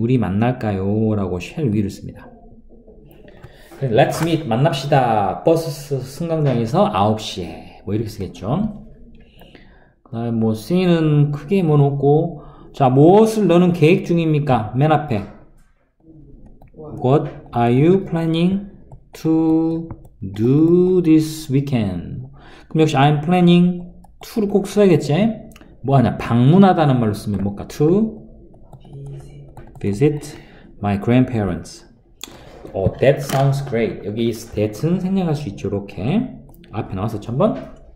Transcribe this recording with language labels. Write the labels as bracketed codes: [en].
[ko] 우리 만날까요라고 [en] shall we [ko] 를 씁니다. [en] Let's meet. [ko] 만납시다. 버스 승강장에서 9시에. 뭐 이렇게 쓰겠죠. 그다음에 뭐 씨는 크게 뭐 놓고, 자, 무엇을 너는 계획 중입니까? 맨 앞에 [en] What are you planning to do this weekend? [ko] 그럼 역시 [en] I'm planning to [ko] 를 꼭 써야겠지? 뭐 하냐? 방문하다는 말로 쓰면 뭘까? [en] To visit my grandparents. Oh, that sounds great. [ko] 여기 that은 생략할 수 있죠. 이렇게. 앞에 나왔어, 1000번.